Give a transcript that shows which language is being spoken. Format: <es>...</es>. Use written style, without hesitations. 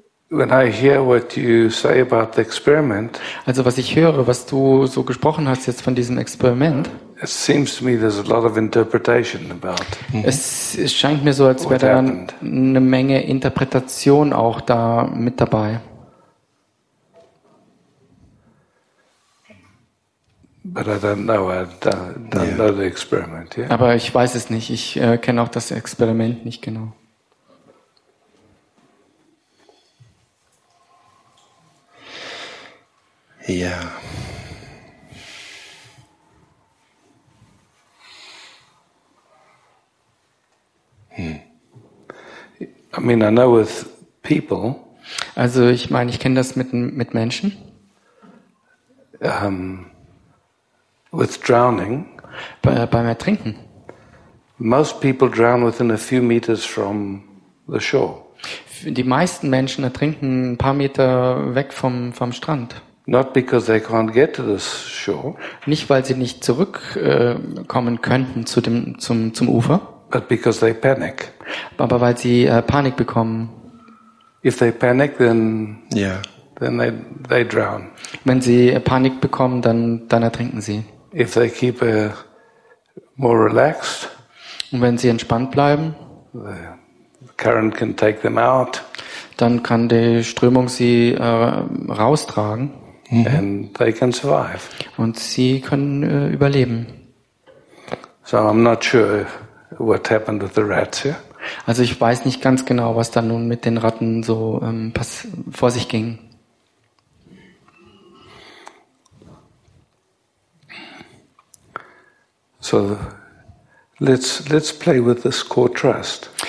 <en>When I hear what you say about the experiment.</en> <de>Also was ich höre, was du so gesprochen hast jetzt von diesem Experiment.</de> <en>It seems to me there's a lot of interpretation about.</en> <de>Es scheint mir so, als wäre da eine Menge Interpretation auch da mit dabei.</de> <en>But I don't know. I don't know the experiment. Yeah.</en> <de>Aber ich weiß es nicht. Ich kenne auch das Experiment nicht genau.</de> <en>Yeah. I mean, I know with people.</en> <de>Also, ich meine, ich kenne das mit Menschen.</de> <en>With drowning.</en> <de>Beim Ertrinken.</de> <en>Most people drown within a few meters from the shore.</en> <de>Die meisten Menschen ertrinken ein paar Meter weg vom Strand.</de> <en>Not because they can't get to the shore.</en> <de>Nicht weil sie nicht zurückkommen könnten zum Ufer.</de> <en>But because they panic.</en> <de>Aber weil sie Panik bekommen.</de> <en>If they panic, then yeah, then they drown.</en> <de>Wenn sie Panik bekommen, dann ertrinken sie.</de> <en>If they keep more relaxed.</en> <de>Und wenn sie entspannt bleiben.</de> <en>The current can take them out.</en> <de>Dann kann die Strömung sie raustragen.</de> <en>Mm-hmm. And they can survive.</en> <de>Und sie können überleben.</de> <en>So I'm not sure what happened with the rats here.</en> <de>Also ich weiß nicht ganz genau, was da nun mit den Ratten so vor sich ging.</de> <en>So let's play with this core trust.</en>